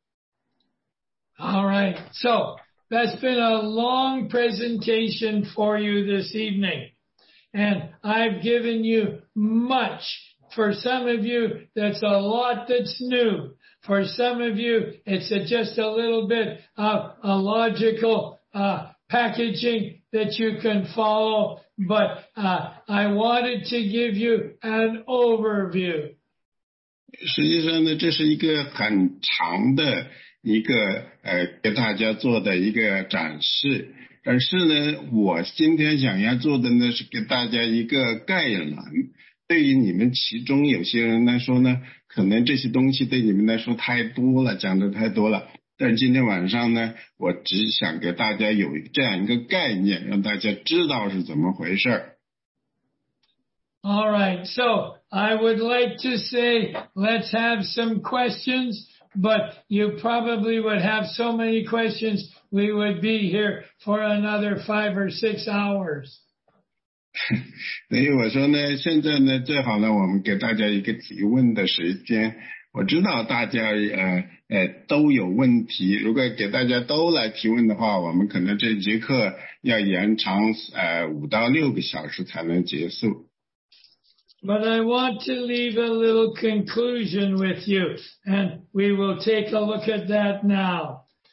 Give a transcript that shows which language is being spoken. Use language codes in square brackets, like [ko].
[zh] 那个先知其实是讲到的，前面呢有可怕的，有那个神的愤怒，所以你们要小心了。 [en] All right, so that's been a long presentation for you this evening. And I've given you much. For some of you, that's a lot that's new. For some of you, it's just a little bit of a logical packaging that you can follow. But I wanted to give you an overview. [zh] 实际上呢，这是一个很长的 一个给大家做的一个展示，但是呢，我今天想要做的呢，是给大家一个概览。对于你们其中有些人来说呢，可能这些东西对你们来说太多了，讲的太多了。但今天晚上呢，我只想给大家有这样一个概念，让大家知道是怎么回事。 [en] All right, so I would like to say, let's have some questions. But you probably would have so many questions, we would be here for another 5 or 6 hours. [zh] 所以我说呢，现在呢，最好呢，我们给大家一个提问的时间。我知道大家都有问题，如果给大家都来提问的话，我们可能这节课要延长5到6个小时才能结束。 [en] But I want to leave a little conclusion with you, and we will take a look at that now.